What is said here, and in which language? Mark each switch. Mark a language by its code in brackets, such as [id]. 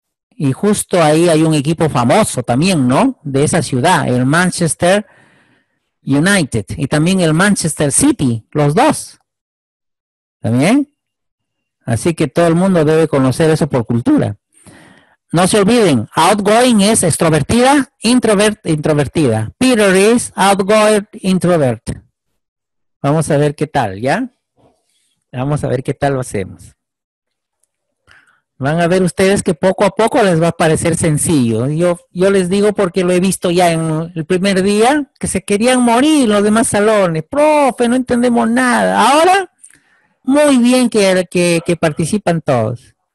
[es] Y justo ahí hay un equipo famoso también, ¿no? De esa ciudad, el Manchester United. Y también el Manchester City, los dos. ¿También? Así que todo el mundo debe conocer eso por cultura. No se olviden, outgoing es extrovertida, introvert, introvertida. [en] Peter is outgoing, introvert. [es] Vamos a ver qué tal, ¿ya? Vamos a ver qué tal lo hacemos. Van a ver ustedes que poco a poco les va a parecer sencillo. Yo les digo porque lo he visto ya en el primer día, que se querían morir los demás salones. Profe, no entendemos nada. Ahora, muy bien que participan todos.